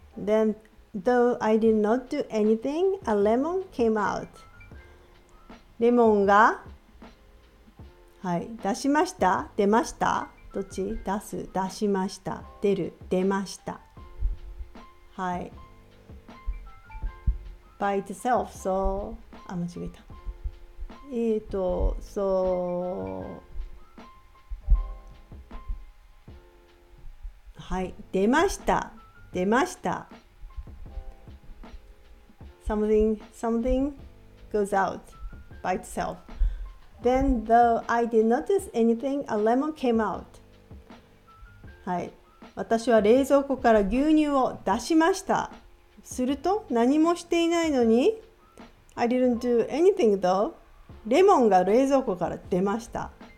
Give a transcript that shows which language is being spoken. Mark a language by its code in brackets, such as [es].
[en] Then though I did not do anything, a lemon came out. [ja] レモンがはい出しました出ましたどっち出す出しました出る出ましたはい [en] by itself. [ja] So あ間違えた。そう、はい、出ました、出ました。 [en] Something goes out by itself. Then, though I did not do anything, a lemon came out. [ja] はい、私は冷蔵庫から牛乳を出しました。すると、何もしていないのに、 [en] I didn't do anything though. [ja] レモンが冷蔵庫から出ました。